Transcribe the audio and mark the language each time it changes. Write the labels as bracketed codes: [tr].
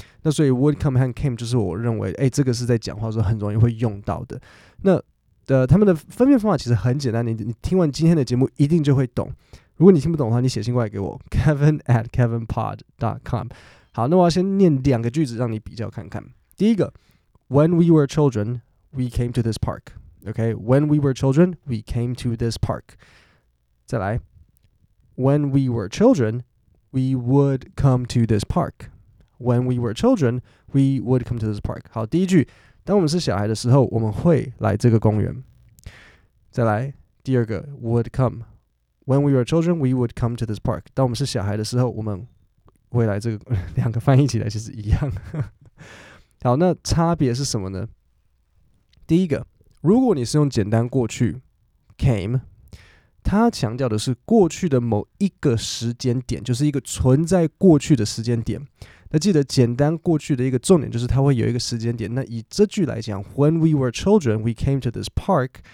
[zh] 那所以 would come 和 came 就是我认为这个是在讲话的时候很容易会用到的。那他们的分辨方法其实很简单， 你听完今天的节目一定就会懂。如果你听不懂的话，你写信过来给我 kevin@kevinpod.com。好，那我要先念两个句子让你比较看看。第一个 [en] When we were children, we came to this park. Okay, when we were children, we came to this park. [zh] 再来 [en] When we were children, we would come to this park. When we were children, we would come to this park. [zh] 好，第一句，当我们是小孩的时候，我们会来这个公园。再来，第二个 would come. [en] When we were children, we would come to this park. [zh] 当我们是小孩的时候，我们未来这个两个翻译起来其实一样。好，那差别是什么呢？第一个，如果你是用简单过去 came， 它强调的是过去的某一个时间点，就是一个存在过去的时间点。那记得简单过去的一个重点就是它会有一个时间点。那以这句来讲 [en] ，When we were children, we came to this park。